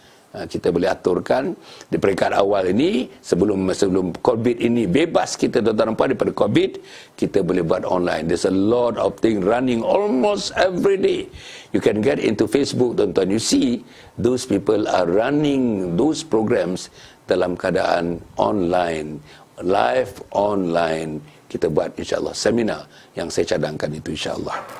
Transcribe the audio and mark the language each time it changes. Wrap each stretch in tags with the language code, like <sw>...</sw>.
<ms>Kita boleh aturkan di peringkat awal ini, sebelum COVID ini bebas kita, tuan-tuan nampak, daripada COVID, kita boleh buat online.</ms> <en>There's a lot of thing running almost every day. You can get into Facebook, tuan-tuan. You see, those people are running those programs</en> <ms>dalam keadaan</ms> <en>online, live online.</en> <ms>Kita buat insyaAllah seminar yang saya cadangkan itu, insyaAllah.</ms>